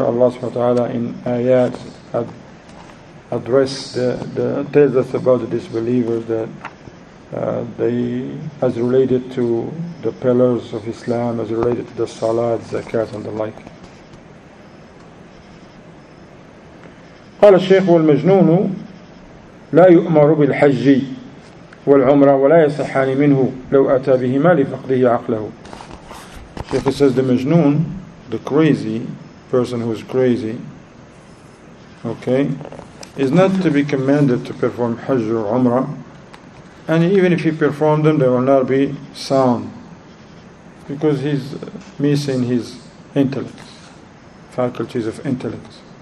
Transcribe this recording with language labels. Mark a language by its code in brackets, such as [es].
[en] Allah subhanahu wa ta'ala in ayat addressed the tells us about the disbelievers that they, as related to the pillars of Islam, as related to the Salat, Zakat, and the like. [ar] قال الشيخ والمجنون لا يؤمر بالحج والعمرة ولا يصحان منه لو أتى بهما لفقده عقله. [en] الشيخ says the مجنون, the crazy person who is crazy, okay, is not to be commanded to perform Hajj or Umrah. And even if he performed them, they will not be sound, because he's missing his intellect, faculties of intellect.